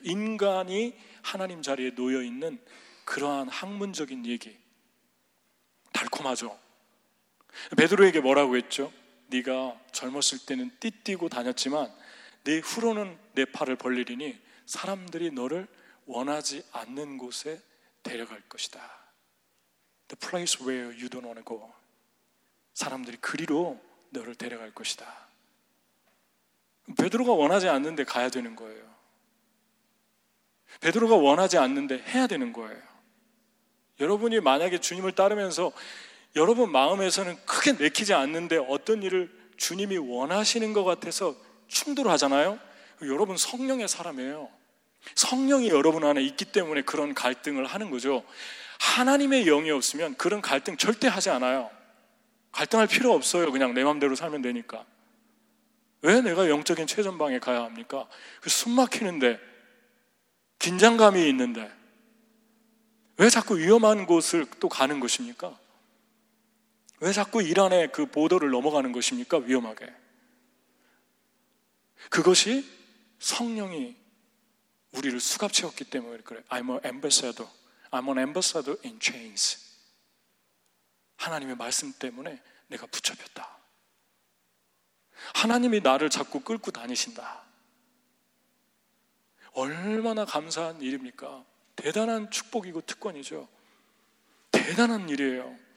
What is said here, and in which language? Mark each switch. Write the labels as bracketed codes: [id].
[ko] 인간이 하나님 자리에 놓여있는 그러한 학문적인 얘기. 달콤하죠. 베드로에게 뭐라고 했죠? 네가 젊었을 때는 띠띠고 다녔지만 네 후로는 내 팔을 벌리리니 사람들이 너를 원하지 않는 곳에 데려갈 것이다. [en] The place where you don't want to go. [ko] 사람들이 그리로 너를 데려갈 것이다. 베드로가 원하지 않는데 가야 되는 거예요. 베드로가 원하지 않는데 해야 되는 거예요. 여러분이 만약에 주님을 따르면서 여러분 마음에서는 크게 내키지 않는데 어떤 일을 주님이 원하시는 것 같아서 충돌하잖아요. 여러분 성령의 사람이에요. 성령이 여러분 안에 있기 때문에 그런 갈등을 하는 거죠. 하나님의 영이 없으면 그런 갈등 절대 하지 않아요. 갈등할 필요 없어요. 그냥 내 마음대로 살면 되니까. 왜 내가 영적인 최전방에 가야 합니까? 숨 막히는데, 긴장감이 있는데, 왜 자꾸 위험한 곳을 또 가는 것입니까? 왜 자꾸 일 안에 그 보도를 넘어가는 것입니까? 위험하게. 그것이 성령이 우리를 수갑채웠기 때문에 그래요. [en] I'm an ambassador. I'm an ambassador in chains. [ko] 하나님의 말씀 때문에 내가 붙잡혔다. 하나님이 나를 자꾸 끌고 다니신다. 얼마나 감사한 일입니까? 대단한 축복이고 특권이죠. 대단한 일이에요.